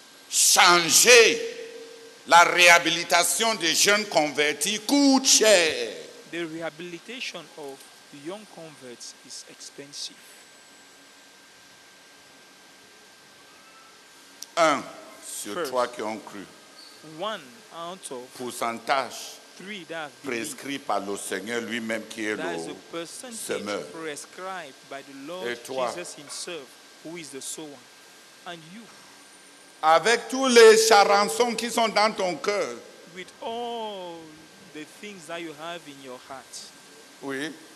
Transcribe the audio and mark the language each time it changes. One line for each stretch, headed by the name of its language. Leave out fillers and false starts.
French: Changer la réhabilitation des jeunes convertis coûte cher.
English: The rehabilitation of the young converts is expensive.
French: Un sur trois qui ont cru.
English: One out of
French: pourcentage
English: three that have
French: prescrit par le Seigneur lui-même qui est le semeur.
English: Prescribed by the Lord Jesus himself, who is the sower. And you.
French: Avec tous les charançons qui sont dans ton cœur.
English: With all the things that you have in your heart.
French: Oui.